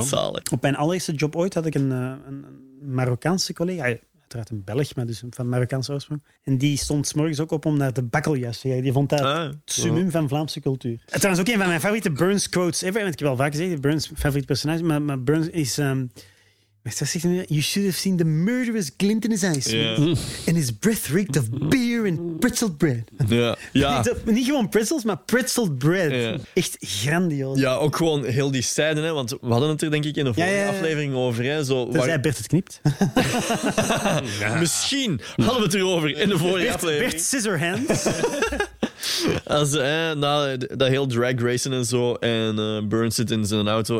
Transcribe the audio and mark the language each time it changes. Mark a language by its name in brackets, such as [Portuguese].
[Dutch] Zalig. Op mijn allereerste job ooit had ik een Marokkaanse collega. Uiteraard een Belg, maar dus van Marokkaanse oorsprong. En die stond 's morgens ook op om naar de bakkeljas te gaan. Die vond dat het summum van Vlaamse cultuur. Het was ook een van mijn favoriete Burns quotes ever. Ik heb wel vaak gezegd, Burns' favoriete personage. Maar Burns is... [English] you should have seen the murderous glint in his eyes. Yeah. And his breath reeked of beer and pretzeled bread. [Dutch] Ja. Niet gewoon pretzels, maar pretzeled bread. [English] Yeah. [Dutch] Echt grandioos. Ja, ook gewoon heel die zijde. Hè, want we hadden het er denk ik in de vorige aflevering over. Hè, zo, dus waar... Bert het knipt. Misschien hadden we het erover in de vorige aflevering. Bert Scissorhands. Als dat heel drag racen en zo. En Burns zit in zijn auto.